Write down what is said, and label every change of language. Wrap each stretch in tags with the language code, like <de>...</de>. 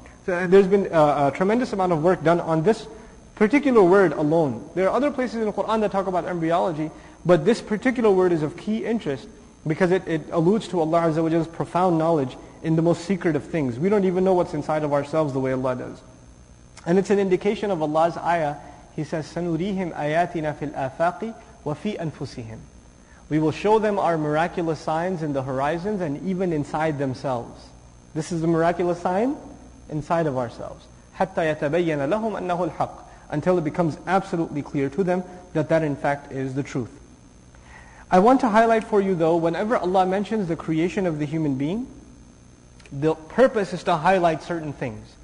<en>So there's been a tremendous amount of work done on this particular word alone. There are other places in the Qur'an that talk about embryology, but this particular word is of key interest because it alludes to Allah Azza wa Jalla's profound knowledge in the most secret of things. We don't even know what's inside of ourselves the way Allah does. And it's an indication of Allah's ayah. He says,</en> <ar>سَنُرِيهِمْ آيَاتِنَا فِي الْآفَاقِ وَفِي أَنفُسِهِمْ.</ar> <en>We will show them our miraculous signs in the horizons and even inside themselves. This is the miraculous sign inside of ourselves.</en> <ar>حَتَّى يَتَبَيَّنَ لَهُمْ أَنَّهُ الْحَقِّ.</ar> <en>Until it becomes absolutely clear to them that that in fact is the truth. I want to highlight for you though, whenever Allah mentions the creation of the human being, the purpose is to highlight certain things.</en>